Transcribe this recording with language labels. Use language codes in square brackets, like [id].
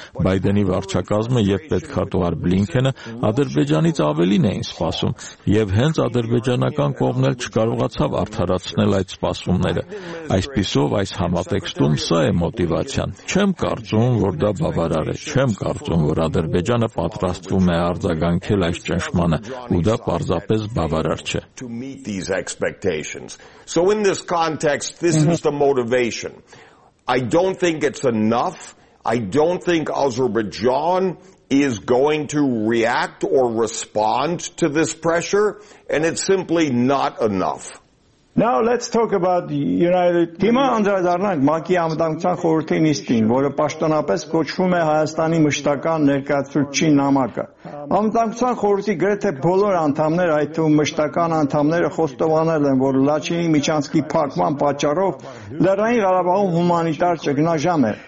[hy] Բայդենի վարչակազմը եւ պետքատուար Բլինքենը Ադրբեջանից ավելին էին սպասում, եւ հենց ադրբեջանական կողմն էլ չկարողացավ արդարացնել այդ սպասումները։ Այսպիսով այս համատեքստում սա է մոտիվացիան։ Չեմ կարծում, որ դա բավարար է։ Չեմ կարծում, որ Ադրբեջանը պատրաստվում է արձագանքել այս ճնշմանը, ու դա պարզապես բավարար չէ։ [en] So in this context, this is the motivation. I don't think it's enough. I don't think Azerbaijan is going to react or respond to this pressure, and it's simply not enough. Now let's talk about the United [hy] Հիմա անդրադառնանք ՄԱԿ-ի ամենատարածքային խորհրդի նիստին, որը պաշտոնապես կոչվում է Հայաստանի մշտական ներկայացուցչի նամակը։ Ամենատարածքային խորհրդի գրեթե բոլոր անդամները, այդ թվում մշտական անդամները, խոստովանել են, որ Լաչինի միջանցքի փակման պատճառով Լեռնային Ղարաբաղում հումանիտար ճգնաժամ է։